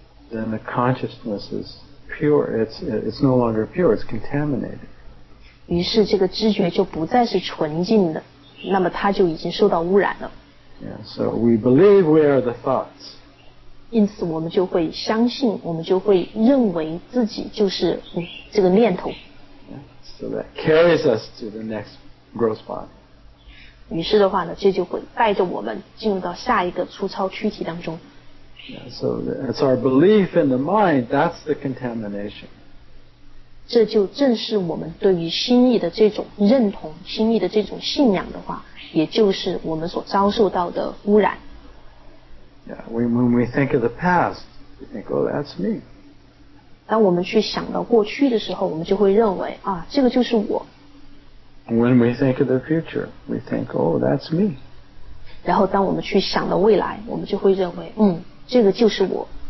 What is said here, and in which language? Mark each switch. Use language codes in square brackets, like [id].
[en] Then the consciousness is pure it's no longer pure, it's contaminated [zh] 于是这个知觉就不再是纯净的那么它就已经受到污染了 [en] yeah, So we believe we are the thoughts [zh] 因此我们就会相信我们就会认为自己就是这个念头 [en] So that carries us to the next gross body. [zh] 于是的话呢，这就会带着我们进入到下一个粗糙躯体当中。 [en] Yeah, so it's our belief in the mind, that's the contamination. [zh] 这就正是我们对于心意的这种认同，心意的这种信仰的话，也就是我们所遭受到的污染。 [en] Yeah, when we think of the past, we think, oh, that's me. [zh] 当我们去想到过去的时候我们就会认为啊，这个就是我 [en] When we think of the future we think, oh, that's me [zh] 然后当我们去想到未来我们就会认为这个就是我